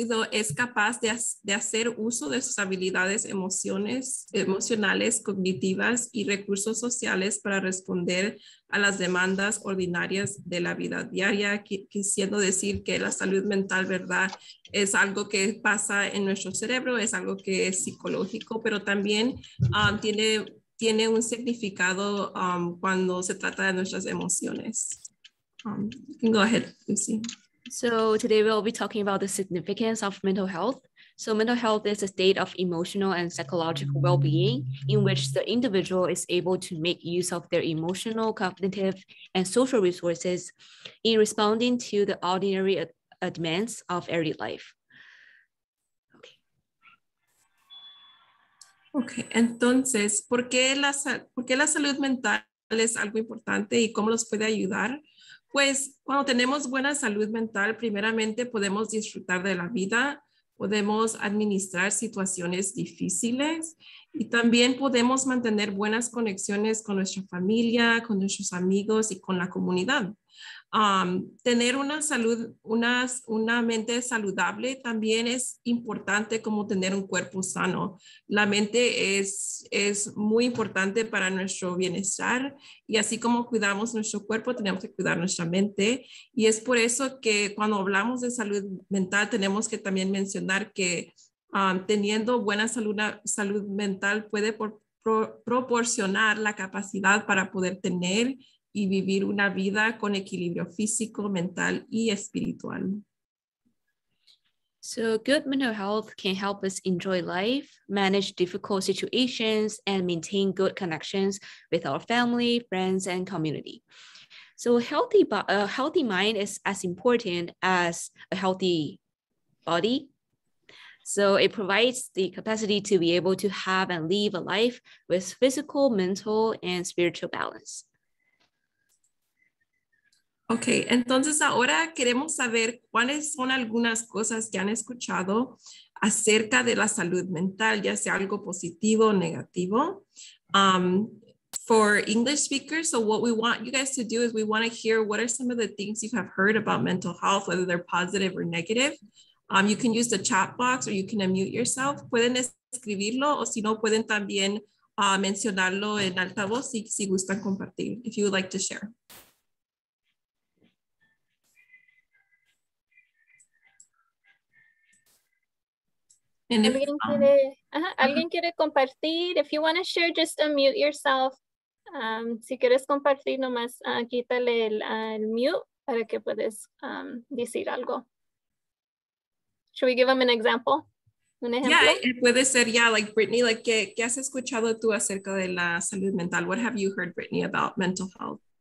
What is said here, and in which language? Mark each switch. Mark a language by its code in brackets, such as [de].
[es] es capaz de hacer uso de sus habilidades emocionales, cognitivas y recursos sociales para responder a las demandas ordinarias de la vida diaria, quisiendo decir que la salud mental, ¿verdad?, es algo que pasa en nuestro cerebro, es algo que es psicológico, pero también tiene un significado cuando se trata de nuestras emociones. [en] You can go ahead, Lucy. So today we'll be talking about the significance of mental health. So mental health is a state of emotional and psychological well-being in which the individual is able to make use of their emotional, cognitive, and social resources in responding to the ordinary demands of everyday life. [es] Okay. Okay, entonces, ¿por qué la salud mental es algo importante y cómo los puede ayudar. Pues cuando tenemos buena salud mental, primeramente podemos disfrutar de la vida, podemos administrar situaciones difíciles y también podemos mantener buenas conexiones con nuestra familia, con nuestros amigos y con la comunidad. Tener una salud, una mente saludable también es importante como tener un cuerpo sano. La mente es muy importante para nuestro bienestar y así como cuidamos nuestro cuerpo, tenemos que cuidar nuestra mente. Y es por eso que cuando hablamos de salud mental, tenemos que también mencionar que teniendo buena salud mental puede proporcionar la capacidad para poder tener y vivir una vida con equilibrio físico, mental, y espiritual. [en] So good mental health can help us enjoy life, manage difficult situations, and maintain good connections with our family, friends, and community. So a healthy mind is as important as a healthy body. So it provides the capacity to be able to have and live a life with physical, mental, and spiritual balance. [es] Ok, entonces ahora queremos saber cuáles son algunas cosas que han escuchado acerca de la salud mental, ya sea algo positivo o negativo. [en] For English speakers, so what we want you guys to do is we want to hear what are some of the things you have heard about mental health, whether they're positive or negative. You can use the chat box or you can unmute yourself. [es] Pueden escribirlo o si no, pueden también mencionarlo en altavoz si gustan compartir, [en] if you would like to share. [es] Alguien quiere compartir. [en] If you want to share, just unmute yourself. [es] Si quieres compartir, nomás quítale el mute para que puedas decir algo. [en] Should we give them an example? [es] ¿Un ejemplo? Yeah, it puede ser, yeah, like Brittany, like, ¿qué has escuchado tú acerca de la salud mental? [en] What have you heard, Brittany, about mental health?